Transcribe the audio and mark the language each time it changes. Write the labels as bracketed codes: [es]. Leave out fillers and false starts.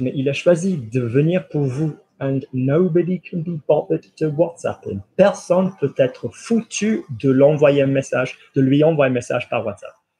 [fr] Mais il a choisi de venir pour vous. [en] And nobody can be bothered to WhatsApp him. [fr] Personne peut être foutu de l'envoyer un message, de lui envoyer un message par WhatsApp.